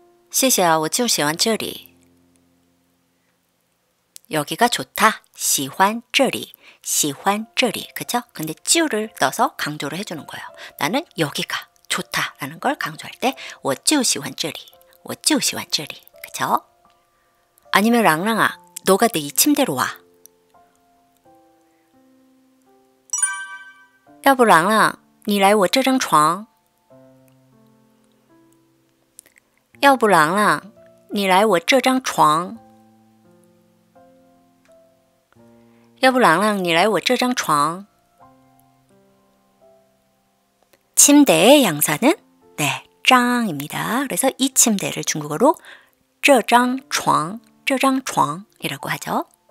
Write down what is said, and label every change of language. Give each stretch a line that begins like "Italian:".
Chinese: 谢谢啊，我就喜欢这里。谢谢啊，我就喜欢这里。谢谢啊，我就喜欢这里。
Korean: 여기가 좋다.
Chinese: 喜欢这里。喜欢这里.
Korean: 그죠? 근데 就를 넣어서 강조를 해주는 거예요. 나는 여기가 좋다라는 걸 강조할 때
Chinese: 我就喜欢这里。我就喜欢这里.
Korean: 그죠? 아니면 랑랑아, 너가 내 이 침대로 와.
Chinese: 要不朗朗你来我这张床要不朗朗你来我这张床要不朗朗你来我这张床
Korean: 침대의 양사는 네, 짱입니다. 그래서 이 침대를 중국어로
Chinese: 这张床这张床
Korean: 이라고 하죠.